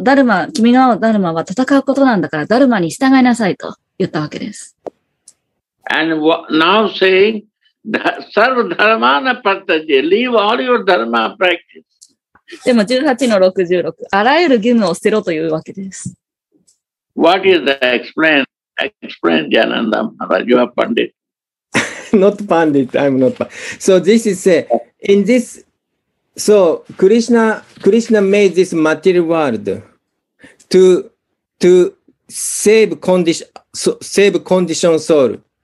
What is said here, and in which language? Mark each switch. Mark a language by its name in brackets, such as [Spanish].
[Japanese] ダルマ、君のダルマは戦うことなんだから、ダルマに従いなさいと言ったわけです。 [English] And now saying, [Sanskrit] serve dharma na pratyajye, [English] leave all your dharma practice. [Japanese] でも18-66、あらゆる義務を捨てろというわけです。 [English] What is the explain Jananda Maharaj, you are Pandit. Not Pandit, I'm not Pandit. So this is in this, so Krishna made this material world to save condition soul.